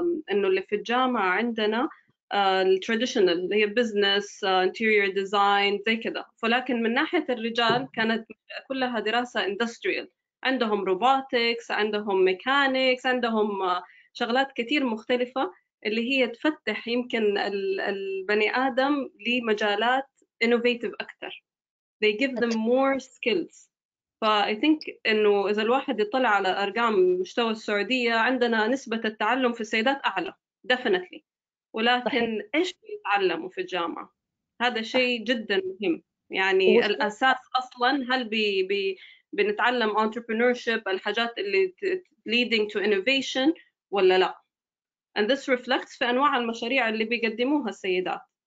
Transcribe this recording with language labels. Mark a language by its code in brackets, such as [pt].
[ar] انه اللي في الجامعه عندنا التراديشنال اللي هي بزنس انتيريور ديزاين زي كده، ولكن من ناحيه الرجال كانت كلها دراسه اندستريال، عندهم روبوتكس، عندهم ميكانيكس، عندهم شغلات كثير مختلفة اللي هي تفتح يمكن البني آدم لمجالات innovative أكثر. [en] They give them more skills. فأي think [ar] إنه إذا الواحد يطلع على أرقام مستوى السعودية عندنا نسبة التعلم في السيدات أعلى [en] definitely، [ar] ولكن إيش بيتعلموا في الجامعة؟ هذا شيء جدا مهم. يعني الأساس أصلا هل بنتعلم entrepreneurship، الحاجات اللي [en] leading to innovation [ar] ولا لا؟ [en] And this reflects [ar] في أنواع المشاريع اللي بيقدموها السيدات.